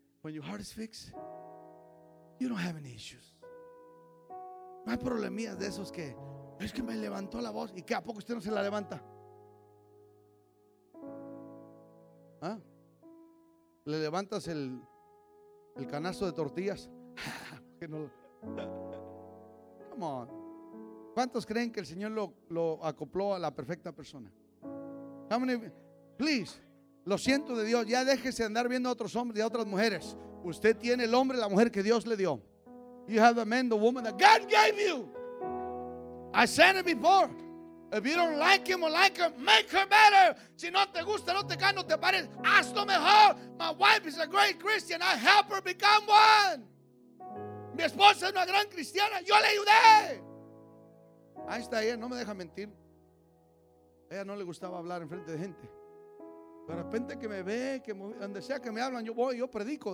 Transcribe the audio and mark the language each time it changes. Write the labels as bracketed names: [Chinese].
[English] When your heart is fixed, you don't have any issues. [Spanish] No hay problemillas de esos que es que me levantó la voz. ¿Y qué? ¿A poco usted no se la levanta? ¿Ah? ¿Le levantas el canasto de tortillas? [English] Come on. [Spanish] ¿Cuántos creen que el Señor lo acopló a la perfecta persona? [English] How many, please, [Spanish] lo siento de Dios, ya déjese de andar viendo a otros hombres y a otras mujeres. Usted tiene el hombre y la mujer que Dios le dio. [English] You have the man, the woman that God gave you. I said it before. If you don't like him or like her, make her better. [Spanish] Si no te gusta, no te cae, no te pares, hazlo mejor. [English] My wife is a great Christian. I help her become one. [Spanish] Mi esposa es una gran cristiana. Yo le ayudé. Ahí está ella, no me deja mentir. Ella no le gustaba hablar en frente de gente. De repente que me ve, que donde sea que me hablan, yo voy, yo predico.